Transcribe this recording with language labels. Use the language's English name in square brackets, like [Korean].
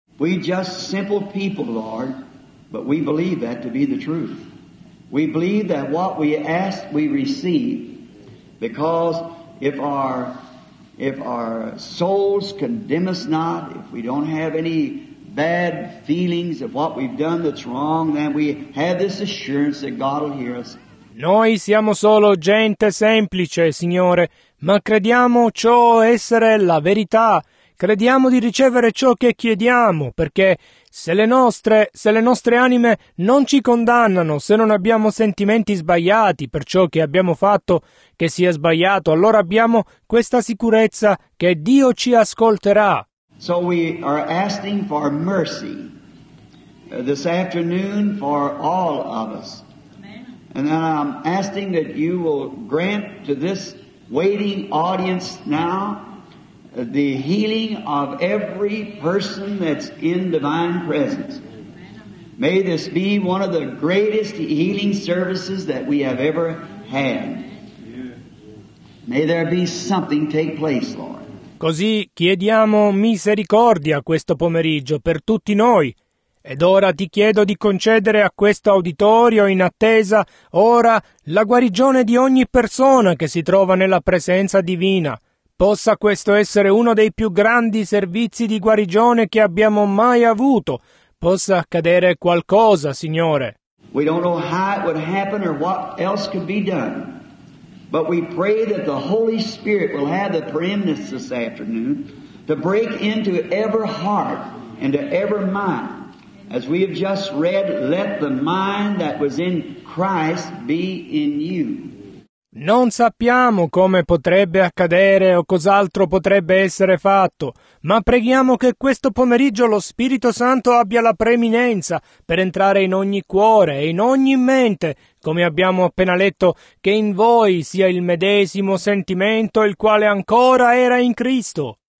[English] We just simple people, Lord, but we believe that to be the truth. We believe that what we ask we receive, because if our souls condemn us not, if we don't have any bad feelings of what we've done that's wrong, then we have this assurance that God will hear us. [Italian] Noi siamo solo gente semplice, Signore, ma crediamo ciò essere la verità. Crediamo di ricevere ciò che chiediamo, perché se le nostre anime non ci condannano, se non abbiamo sentimenti sbagliati per ciò che abbiamo fatto che sia sbagliato, allora abbiamo questa sicurezza che Dio ci ascolterà. [English] So we are asking for mercy this afternoon for all of us. And then I'm asking that you will grant to this waiting audience now the healing of every person that's in divine presence. May this be one of the greatest healing services that we have ever had. May there be something take place, Lord. [Italian] Così chiediamo misericordia questo pomeriggio per tutti noi. Ed ora ti chiedo di concedere a questo auditorio in attesa ora la guarigione di ogni persona che si trova nella presenza divina. Possa questo essere uno dei più grandi servizi di guarigione che abbiamo mai avuto. Possa accadere qualcosa, Signore. [English] We don't know how it would happen or what else could be done, but we pray that the Holy Spirit will have the preeminence this afternoon to break into every heart and to every mind. As we have just read, let the mind that was in Christ be in you. [Italian] Non sappiamo come potrebbe accadere o cos'altro potrebbe essere fatto, ma preghiamo che questo pomeriggio lo Spirito Santo abbia la preeminenza per entrare in ogni cuore e in ogni mente, come abbiamo appena letto, che in voi sia il medesimo sentimento il quale ancora era in Cristo.